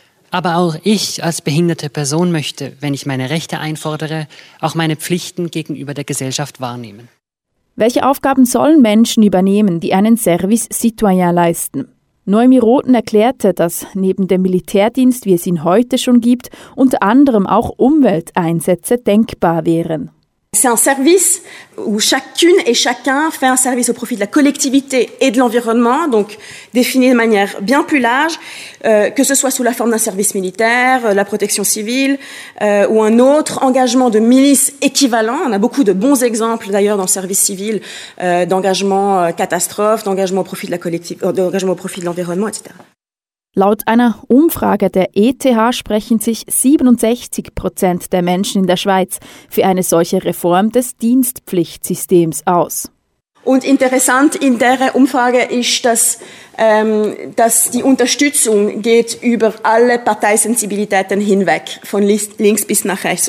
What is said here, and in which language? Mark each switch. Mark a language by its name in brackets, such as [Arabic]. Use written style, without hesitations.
[German] Aber auch ich als behinderte Person möchte, wenn ich meine Rechte einfordere, auch meine Pflichten gegenüber der Gesellschaft wahrnehmen. Welche Aufgaben sollen Menschen übernehmen, die einen Service Citoyen leisten? Noemi Rothen erklärte, dass neben dem Militärdienst, wie es ihn heute schon gibt, unter anderem auch Umwelteinsätze denkbar wären. [French] C'est un service où chacune et chacun fait un service au profit de la collectivité et de l'environnement, donc défini de manière bien plus large, que ce soit sous la forme d'un service militaire, la protection civile, ou un autre engagement de milice équivalent. On a beaucoup de bons exemples d'ailleurs dans le service civil, d'engagement catastrophe, d'engagement au profit de la collectivité, d'engagement au profit de l'environnement, etc. [German] Laut einer Umfrage der ETH sprechen sich 67% der Menschen in der Schweiz für eine solche Reform des Dienstpflichtsystems aus. Und interessant in der Umfrage ist, dass die Unterstützung geht über alle Parteisensibilitäten hinweg, von links bis nach rechts.